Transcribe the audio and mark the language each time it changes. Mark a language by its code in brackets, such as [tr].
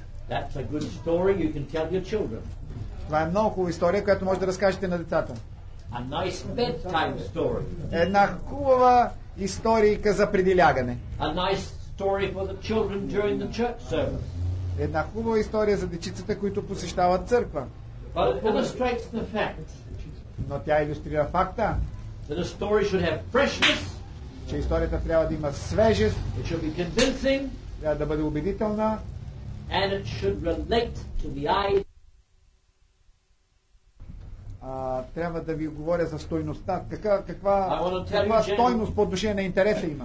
[en] That's a good story you can tell your children. [bg] Това е много хубава история, която може да разкажете на децата. [en] A nice bedtime story. [bg] Една хубава историйка за предилягане. [en] A nice story for the children during the church service. [bg] Една хубава история за дечицата, които посещават църква. [en] But it illustrates the fact. [bg] Но тя илюстрира факта. [en] That a story should have freshness. [bg] Че историята трябва да има свежест. [en] It should be convincing. [bg] Трябва да бъде убедителна. [en] And it should relate to the idea. [bg] Трябва да ви говоря за стойността. Каква стойност по отношение на интереса има?